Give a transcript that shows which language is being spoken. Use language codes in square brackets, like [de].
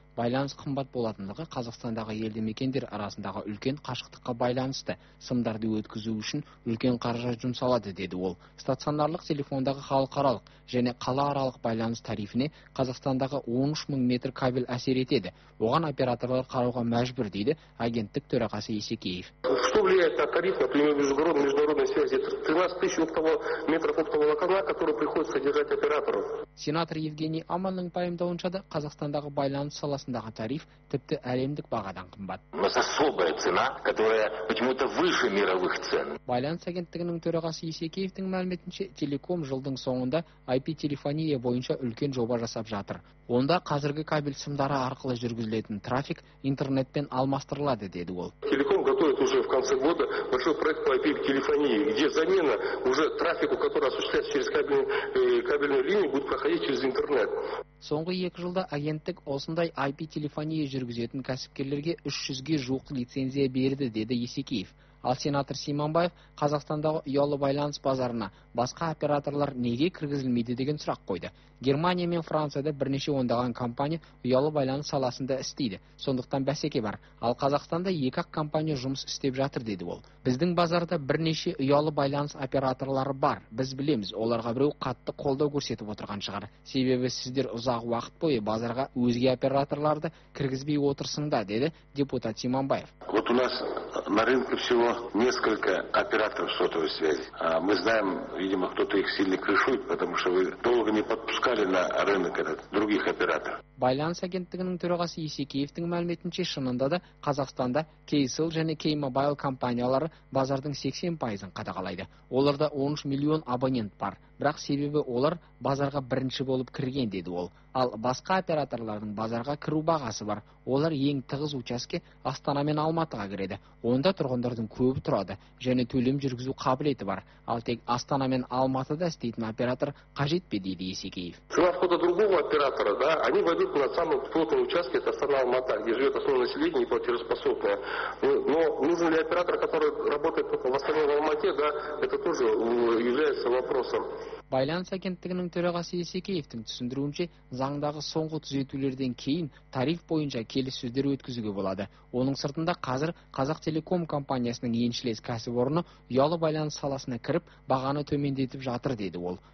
[kk] Байланыс қымбат болатындығы Қазақстандағы елді мекендер арасындағы үлкен қашықтыққа байланысты. Сымдарды өткізу үшін үлкен қаржы жұмсалады деді ол. Стационарлық телефондағы халықаралық және қала аралық байланыс тарифіне Қазақстандағы 13 000 метр кабель әсер етеді. Оған операторлар қарауға мәжбүр дейді агенттік төрағасы Есекеев. [ru] Влияет на тариф, например, международной связи. 13 тысяч метров оптового канала, который приходится содержать операторов. [kk] Сенатор Евгений Аманның пайымдауынша да, Қазақстандағы байланыс саласындағы тариф тіпті әлемдік бағадан қымбат. [ru] У нас особая цена, которая почему-то выше мировых цен. [kk] Байланыс агенттігінің төрағасы Есекеевтің мәліметінше, телеком жылдың соңында IP-телефония бойынша үлкен жоба жасап жатыр. Онда қазіргі кабель сымдары арқылы жүргізілетін трафик интернетпен алмастырылады деді ол. [ru] Телеком готовит уже в конце года большой проект по IP-телефонии, где замена уже трафику, который осуществляется через кабельную линию, будет проходить через интернет. [kk] Соңғы 2 жылда агенттік осындай IP-телефония жүргізетін кәсіпкерлерге 300-ге жуық лицензия берді деді Есекеев. Ал сенатор Симанбаев Қазақстандағы ұялы байланыс базарына басқа операторлар неге кіргізілмейді деген сұрақ қойды. Германия мен Францияда бірнеше ондаған компания ұялы байланыс саласында істейді. Сондықтан бәсеке бар. Ал Қазақстанда 2 компания жұмыс істеп жатыр деді ол. Біздің базарда бірнеше ұялы байланыс операторлары бар. Біз білеміз, оларға біреу қатты қолдау көрсетіп отырған шығар. Себебі сіздер ұзақ уақыт бойы базарға өзге операторларды кіргізбей отырсыңдар деді депутат Симанбаев. [ru] Вот у нас на рынке всего несколько операторов сотовой связи. Мы знаем, видимо, кто-то их сильно крышует, потому что вы долго не подпускали на рынок этот других операторов. [kk] Байланыс агенттігінің төрағасы Есекеевтің мәліметінше, шынында да Қазақстанда Кейсел және Кеймобайл компаниялары базардың 80% қадағалайды. Оларда 13 миллион абонент бар, бірақ себебі олар базарға бірінші болып кірген деді ол. Ал басқа операторлардың базарға кіру бағасы бар. Олар ең тығыз учаске Астана мен Алматыға кіреді. Онда тұрғындардың көбі тұрады және төлем жүргізу қабілеті бар. Ал тек Астана мен Алматыда істейтін оператор қажет пе дейді Есекеев. [ru] На самом плотном участке это Астана-Алмата, где живет основное население и платежеспособное. Но нужен ли оператор, который работает только в основном в Алмате, да, это тоже является вопросом. [kk] Байланыс агенттігінің төрағасы Есекеевтің түсіндіруінше, заңдағы соңғы түзетулерден кейін тариф бойынша келіссөздер өткізуге болады. Оның сыртында қазір Қазақтелеком компаниясының еншілес кәсіпорны ұялы байланыс саласына кіріп, бағаны төмендетіп жатыр, деді ол.